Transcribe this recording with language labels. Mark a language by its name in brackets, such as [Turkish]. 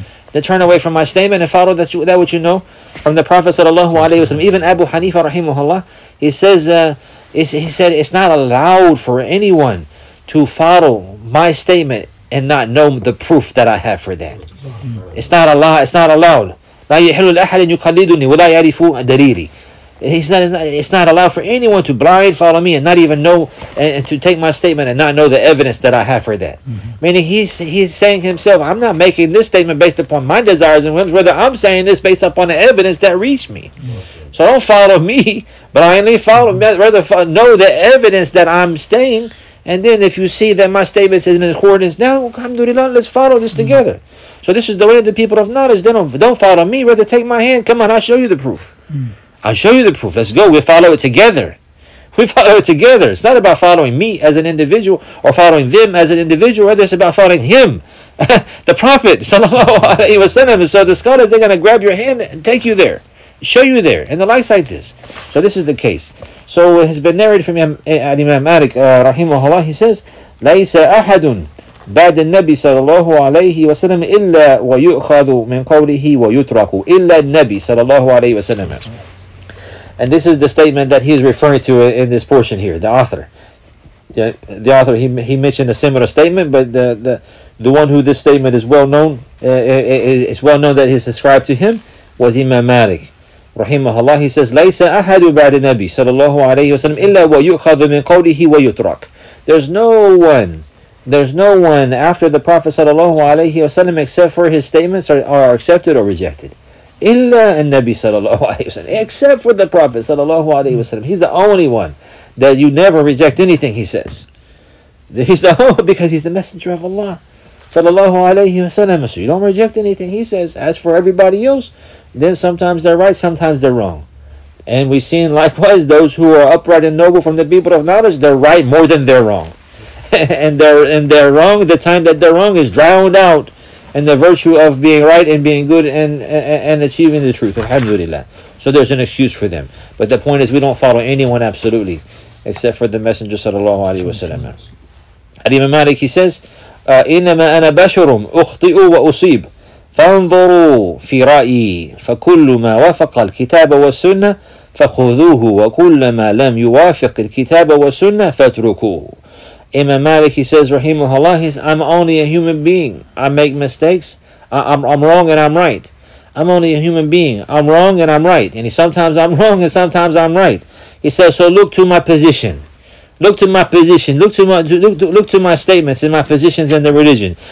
[English] Then turn away from my statement and follow that which you know from the Prophet sallallahu alaihi wasallam. Even Abu Hanifa rahimahullah, he says, He said, it's not allowed for anyone to follow my statement and not know the proof that I have for that. It's not Allah. It's not allowed. [Arabic] لا يحل لأحد أن يقلدني ولا يعرف دليلي. [English] It's not allowed for anyone to blind follow me and not even know and to take my statement and not know the evidence that I have for that. Mm-hmm. Meaning he's saying himself, I'm not making this statement based upon my desires and whims, rather I'm saying this based upon the evidence that reached me. Mm-hmm. So don't follow me, but I only follow mm-hmm. me, rather know the evidence that I'm saying. And then if you see that my statement is in accordance now, alhamdulillah, let's follow this mm-hmm. together. So this is the way the people of knowledge, they don't follow me, rather take my hand. Come on, I'll show you the proof. Mm-hmm. I'll show you the proof. Let's go. We'll follow it together. We follow it together. It's not about following me as an individual or following them as an individual. Rather, it's about following him, the Prophet, sallallahu alayhi wa sallam. So the scholars, they're going to grab your hand and take you there, show you there, and the likes like this. So this is the case. So it has been narrated from Imam Malik, rahimahullah. He says, [Arabic] لَيْسَ أَحَدٌ بَعْدَ النَّبِي sallallahu alayhi wa sallam إِلَّا وَيُؤْخَذُ مِنْ قَوْلِهِ وَيُتْرَكُ إِلَّا النَّبِي sallallahu alayhi wa sallam. [English] And this is the statement that he's referring to in this portion here, the author. Yeah, the author, he mentioned a similar statement, but the one who this statement is well known, it's well known that he's ascribed to him, was Imam Malik. Rahimahullah, he says, [Arabic] لَيْسَ أَحَدُ بَعْدِ النَّبِي sallallahu alayhi wa sallam إِلَّا وَيُؤْخَذُ مِنْ قَوْلِهِ وَيُتْرَكُ. [English] There's no one after the Prophet sallallahu alayhi wa sallam except for his statements are accepted or rejected. [Arabic] Illa an-Nabi [English] sallallahu alayhi wa sallam, except for the Prophet sallallahu alayhi wa sallam. He's the only one that you never reject anything he says. He's the only one because he's the messenger of Allah sallallahu alayhi wa sallam. So you don't reject anything he says. As for everybody else, then sometimes they're right, sometimes they're wrong. And we've seen likewise those who are upright and noble from the people of knowledge, they're right more than they're wrong. and they're wrong, the time that they're wrong is drowned out. And the virtue of being right and being good and achieving the truth, alhamdulillah. So there's an excuse for them. But the point is, we don't follow anyone absolutely, except for the Messenger sallallahu alayhi wa sallam. Al-Imam Malik, he says, [Arabic] إِنَّمَا أَنَا بَشَرٌ أُخْطِئُ وَأُصِيبُ فَانْظُرُوا فِي رَأْيِي فَكُلُّ مَا وَفَقَ الْكِتَابَ وَالسُّنَّةِ فَخُذُوهُ وَكُلَّ مَا لَمْ يُوَافِقِ الْكِتَابَ وَالسُّنَّةِ فَاتْرُكُوهُ. [English] Imam Malik, he says, rahimahullah, he says, I'm only a human being. I make mistakes. I'm wrong and I'm right. I'm only a human being. I'm wrong and I'm right. And sometimes I'm wrong and sometimes I'm right. He says, so look to my position. Look to my position. Look to my statements and my positions in the religion.